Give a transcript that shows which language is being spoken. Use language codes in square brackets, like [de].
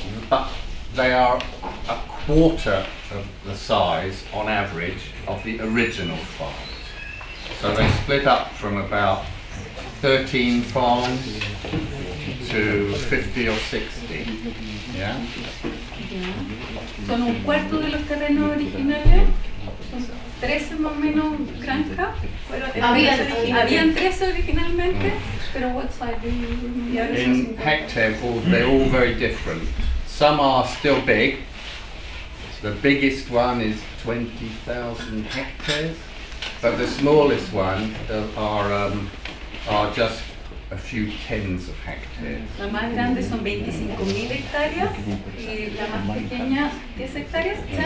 [en] But they are a quarter of the size, on average, of the original farms. So they split up from about 13 farms to 50 or 60. Yeah? [es] Son un cuarto de los terrenos originales, 13 más o menos granjas. Habían 13 originalmente, pero [en] what size? In hectares, they're all very different. Some are still big. The biggest one is 20,000 hectares, but the smallest one are just a few tens of hectares. [es] La más grande son 25,000 hectáreas, y la más pequeña 10 hectáreas.